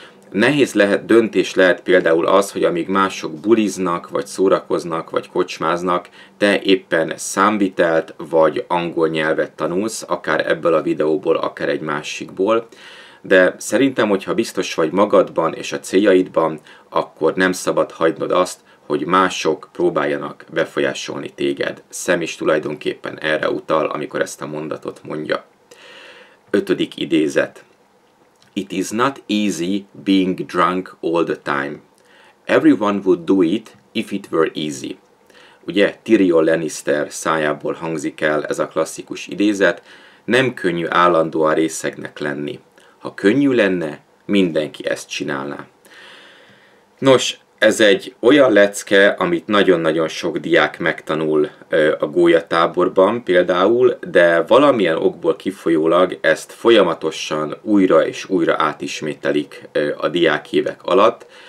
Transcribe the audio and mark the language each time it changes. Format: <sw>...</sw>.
<hu>Nehéz lehet, döntés lehet például az, hogy amíg mások buliznak, vagy szórakoznak, vagy kocsmáznak, te éppen számvitelt, vagy angol nyelvet tanulsz, akár ebből a videóból, akár egy másikból. De szerintem, hogyha biztos vagy magadban és a céljaidban, akkor nem szabad hagynod azt, hogy mások próbáljanak befolyásolni téged. Sam is tulajdonképpen erre utal, amikor ezt a mondatot mondja. 5. idézet.</hu> <en>It is not easy being drunk all the time. Everyone would do it if it were easy.</en> <hu>Ugye Tyrion Lannister szájából hangzik el ez a klasszikus idézet. Nem könnyű állandóan részegnek lenni. Ha könnyű lenne, mindenki ezt csinálná. Nos, ez egy olyan lecke, amit nagyon-nagyon sok diák megtanul a gólyatáborban például, de valamilyen okból kifolyólag ezt folyamatosan újra és újra átismételik a diák évek alatt.</hu>